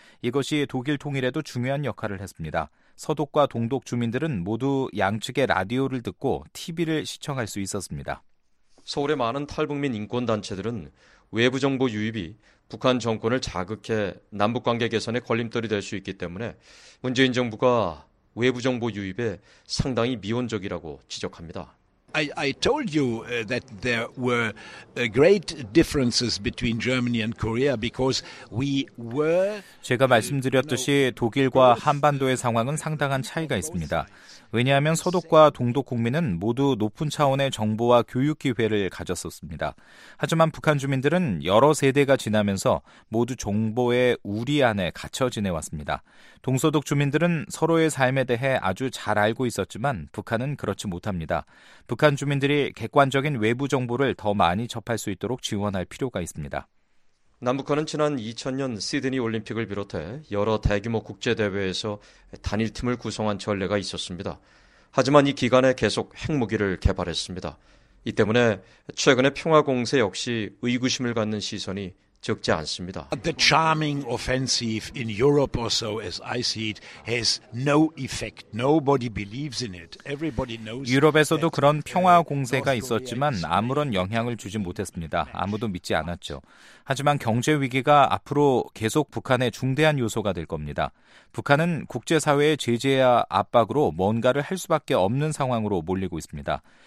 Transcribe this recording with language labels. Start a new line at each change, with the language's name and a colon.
Korean: 이것이 독일 통일에도 중요한 역할을 했습니다. 서독과 동독 주민들은 모두 양측의 라디오를 듣고 TV를 시청할 수 있었습니다. 서울의 많은 탈북민 인권단체들은 외부 정보 유입이 북한 정권을 자극해 남북관계 개선에 걸림돌이 될 수 있기 때문에 문재인 정부가 외부 정보 유입에 상당히 미온적이라고 지적합니다.
English: I told you that there were great differences between Germany and Korea because we were
Korean: 제가 말씀드렸듯이 독일과 한반도의 상황은 상당한 차이가 있습니다. 왜냐하면 서독과 동독 국민은 모두 높은 차원의 정보와 교육 기회를 가졌었습니다. 하지만 북한 주민들은 여러 세대가 지나면서 모두 정보의 우리 안에 갇혀 지내왔습니다. 동서독 주민들은 서로의 삶에 대해 아주 잘 알고 있었지만 북한은 그렇지 못합니다. 북한 주민들이 객관적인 외부 정보를 더 많이 접할 수 있도록 지원할 필요가 있습니다. 남북한은 지난 2000년 시드니 올림픽을 비롯해 여러 대규모 국제대회에서 단일팀을 구성한 전례가 있었습니다. 하지만 이 기간에 계속 핵무기를 개발했습니다. 이 때문에 최근의 평화공세 역시 의구심을 갖는 시선이 적지 않습니다.
English: The charming offensive in Europe also as I see it has no effect. Nobody believes in it. Everybody knows.
Korean: 유럽에서도 그런 평화 공세가 있었지만 아무런 영향을 주지 못했습니다. 아무도 믿지 않았죠. 하지만 경제 위기가 앞으로 계속 북한의 중대한 요소가 될 겁니다. 북한은 국제 사회의 제재와 압박으로 뭔가를 할 수밖에 없는 상황으로 몰리고 있습니다.